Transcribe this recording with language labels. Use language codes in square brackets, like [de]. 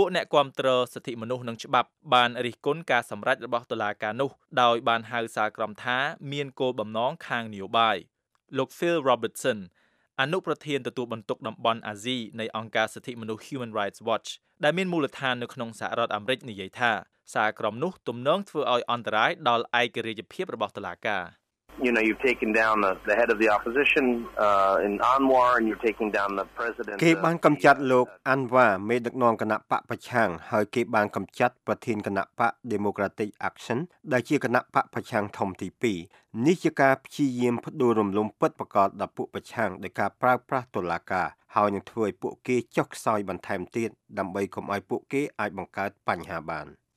[km] កអ្នកគាំទ្រសិទ្ធិមនុស្សនិងច្បាប់បានរិះគន់ការសម្រេចរបស់តុលាការនោះដោយបានហៅសាលក្រមថាមានគោលបំណងខាងនយោបាយលោក Phil Robertson អនុប្រធានទទួលបន្ទុកតំបន់អាស៊ីនៃអង្គការសិទ្ធិមនុស្ស Human Rights Watch ដែលមានមូលដ្ឋាននៅក្នុងសហរដ្ឋអាមេរិកនិយាយថាសាលក្រមនោះទំនងធ្វើឲ្យអន្តរាយដល់ឯករាជ្យភាពរបស់តុលាការ [en] You know, you've taken down the head of the opposition in Anwar, and you're taking down the president. [km] គេបានកំចាត់លោកអាន់វ៉ាមេដឹកនាំគណៈបកប្រឆាំងហើយគេបានកំចាត់ប្រធានគណៈបក Democratic Action ដែលជាគណៈបកប្រឆាំងធំទី2នេះជាការព្យាយាមផ្ដួលរំលំពិតប្រាកដដល់ពួកប្រឆាំងដោយការប្រើប្រាស់តុលាការហើយនឹងធ្វើឲ្យពួកគេចុះខ្សោយបន្ថែមទៀតដើម្បីកុំឲ្យពួកគេអាចបង្កើតបញ្ហាបាន